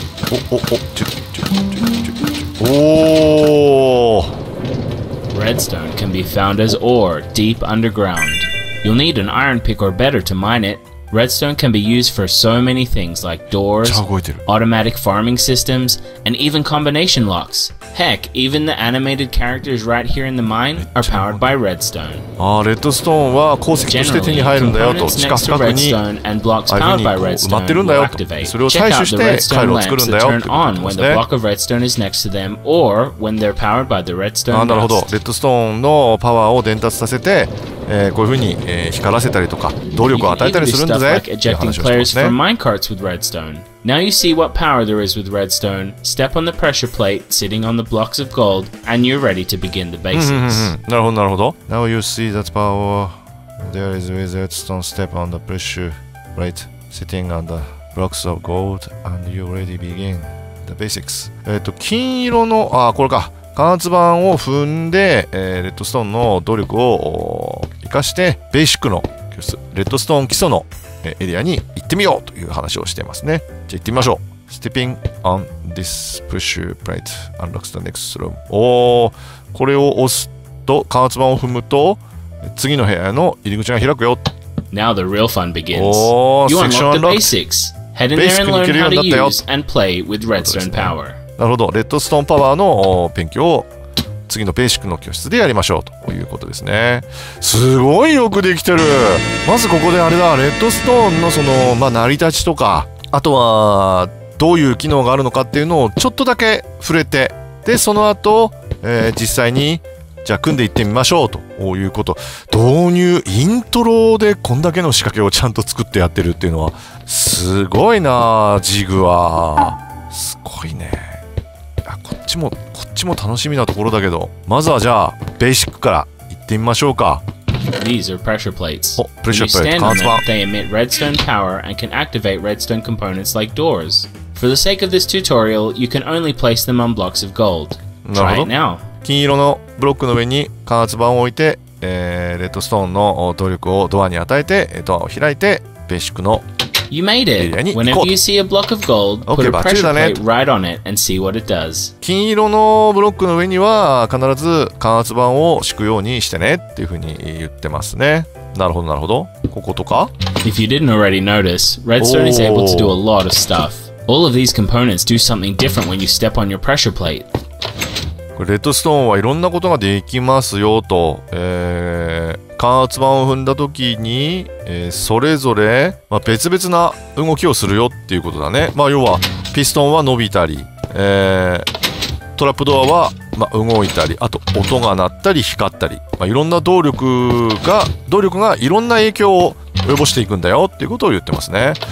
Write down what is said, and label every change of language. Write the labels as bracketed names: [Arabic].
[English] おおお、チュチュチュチュチュ、おー。 Redstone can be found as ore deep underground. You'll need an iron pick or better to mine it. Redstone can be used for so many things like doors, automatic farming systems, and even combination locks. Heck, even the animated characters right here in the mine are powered by redstone. [Japanese] Ah, redstone は鉱石として手に入るんだよと。地下深くに [English] redstone and blocks powered by redstone [Japanese] 埋まってるんだよ。それを採取して回路を作るんだよ。 [English] Turn on when the block of redstone is next to them or when they're powered by the redstone. [Japanese] なるほど。 redstone のパワーを伝達させて。こういうふうに、光らせたりとか動力を与えたりするんだぜ。 [English] Like ejecting players from minecarts with redstone. Now you see what power there is with redstone. Step on the pressure plate sitting on the blocks of gold, and you're ready to begin the basics. [Japanese] なるほどなるほど。 [English] Now you see that power there is with redstone. Step on the pressure plate sitting on the blocks of gold, and you're ready to begin the basics. [Japanese] 金色のあこれか。貫通板を踏んで、レッドストーンの動力を生かしてベーシックの教室レッドストーン基礎の、エリアに行ってみようという話をしていますね。じゃあ行ってみましょう。 [English] Stepping on this pressure plate unlocks the next room。 [Japanese] おー、これを押すと貫通板を踏むと次の部屋の入り口が開くよ。 [English] Now the real fun begins。 [Japanese] おー、 [English] セクション unlocked。 Head in there and learn how to use and play with redstone power。 [Japanese] なるほど、レッドストーンパワーの勉強を次のベーシックの教室でやりましょうということですね。すごいよくできてる。まずここであれだ、レッドストーンのその、まあ、成り立ちとかあとはどういう機能があるのかっていうのをちょっとだけ触れて、でその後、実際にじゃあ組んでいってみましょうということ。導入イントロでこんだけの仕掛けをちゃんと作ってやってるっていうのはすごいな。ジグはすごいね。こっちも楽しみなところだけど、まずはじゃあベーシックから行ってみましょうか。 [English] These are pressure plates. [Japanese] お、プレッシャープレート、貫通板。 [English] They emit redstone power and can activate redstone components like doors. For the sake of this tutorial, you can only place them on blocks of gold. なるほど。Try it now. [Japanese] 金色のブロックの上に貫通板を置いて、レッドストーンの動力をドアに与えて、ドアを開いてベーシックの [English] You made it. Whenever you see a block of gold, put a pressure plate right on it and see what it does. [Japanese] 金色のブロックの上には必ず貫通板を敷くようにしてねっていうふうに言ってますね。なるほどなるほど。こことか。 [English] If you didn't already notice, redstone is able to do a lot of stuff. All of these components do something different when you step on your pressure plate. [Japanese] レッドストーンはいろんなことができますよと、貫圧板を踏んだ時に、それぞれ、まあ、別々な動きをするよっていうことだね。まあ要はピストンは伸びたり、トラップドアは、まあ、動いたり、あと音が鳴ったり光ったり、まあ、いろんな動力がいろんな影響を及ぼしていくんだよっていうことを言ってますね。